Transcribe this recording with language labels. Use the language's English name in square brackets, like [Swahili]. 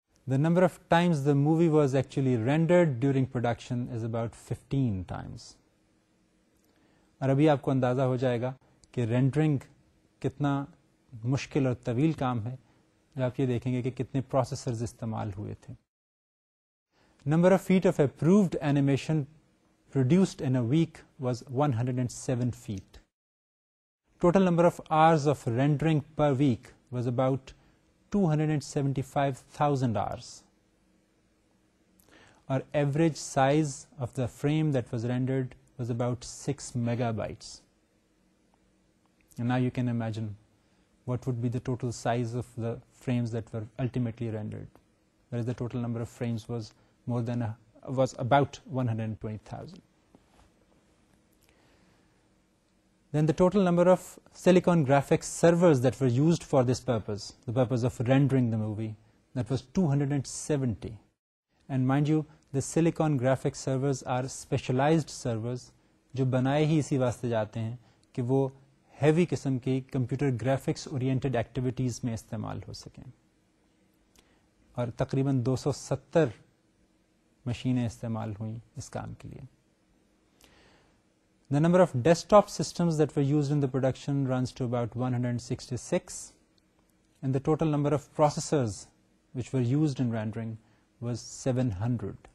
[English] The number of times the movie was actually rendered during production is about 15 times. [Urdu] اور ابھی آپ کو اندازہ ہو جائے گا کہ رینڈرنگ کتنا مشکل اور طویل کام ہے جب آپ یہ دیکھیں گے کہ کتنے پروسیسرز استعمال ہوئے تھے. [English] Number of feet of approved animation produced in a week was 107 feet. Total number of hours of rendering per week was about 275,000 hours. اور average size of the frame that was rendered was about 6 MB. Now you can imagine what would be the total size of the frames that were ultimately rendered, whereas the total number of frames was more than was about 120,000. Then the total number of silicon graphics servers that were used for this purpose, the purpose of rendering the movie, that was 270. And mind you, the silicon graphics servers are specialized servers [Urdu] jo banaye hi isi waste jaate hain ki wo heavy قسم کی computer graphics oriented activities میں استعمال ہو سکیں. اور تقریباً 270 مشینیں استعمال ہوئیں اس کام کے لیے. [English] The number of desktop systems that were used in the production runs to about 166 and the total number of processors which were used in rendering was 700.